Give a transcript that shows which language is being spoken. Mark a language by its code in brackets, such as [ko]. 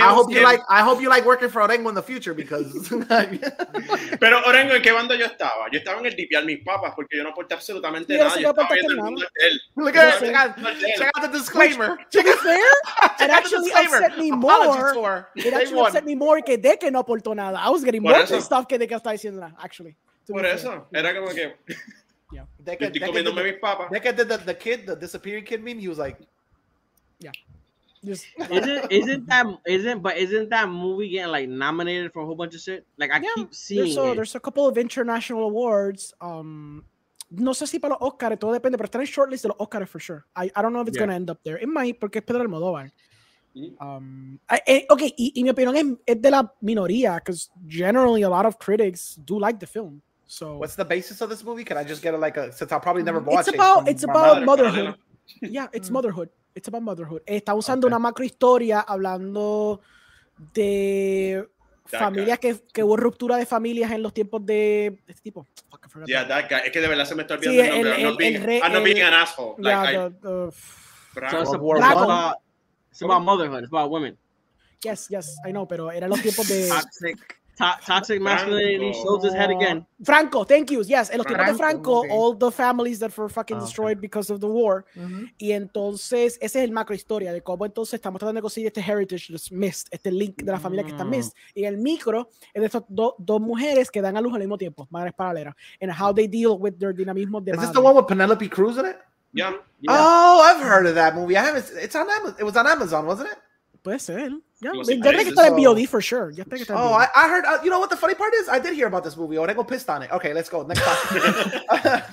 [en] I hope you like working for Orengo in the future, because... [es] Pero Orengo, ¿en qué bando yo estaba? Yo estaba en el DPR, mis papas, porque yo no aporté absolutamente nada. Yo estaba viendo el mundo de él. [en] Look at it. Check out the disclaimer. To be fair, it actually upset me more. It actually upset me more [es] que Deke no aportó nada. [en] I was getting more pissed off [es] que Deke estaba diciendo nada, [en] actually. [es] Por eso. Era como que... [en] Yeah, Deke did the kid, the disappearing kid meme. He was like, "Yeah, isn't that movie getting like nominated for a whole bunch of shit? Like I keep seeing there's a couple of international awards. [es] No sé si para los Oscars, todo depende, pero están en shortlist de los Oscars [en] for sure. I don't know if it's gonna end up there. It might, [es] porque es Pedro Almodóvar. Y mi opinión es de la minoría, [en] because generally a lot of critics do like the film. So what's the basis of this movie? Can I just get since I'll probably never watch it? It's about motherhood. Yeah, it's motherhood. It's about motherhood. [es] Está usando una macro historia hablando de familias que hubo ruptura de familias en los tiempos de este tipo. [en] Fuck, I forgot that. That guy. [es] Es que de verdad se me está olvidando el nombre. [en] I'm not being an asshole. Like, it's about motherhood. It's about women. Yes, yes, I know. [es] Pero era los tiempos de... [en] Toxic masculinity shows his head again. Franco, thank you. Yes, [es] en los tiempos de Franco, [en] all the families that were fucking destroyed because of the war. [es] Mm-hmm. Y entonces, ese es el macro historia de cómo entonces estamos tratando de conseguir este heritage [en] that's missed, [es] este link de la familia que está missed. Y el micro es de estas dos mujeres que dan a luz al mismo tiempo, madres paralelas. [en] And how they deal with their [es] dynamismo de [en] madre. Is this the one with Penelope Cruz in it? Yeah. Oh, I've heard of that movie. It's on Amazon. It was on Amazon, wasn't it? [es] Puede ser. [en] Yeah, they get that BOD for sure. I heard. You know what the funny part is? I did hear about this movie. Orengo pissed on it. Okay, let's go. Next topic.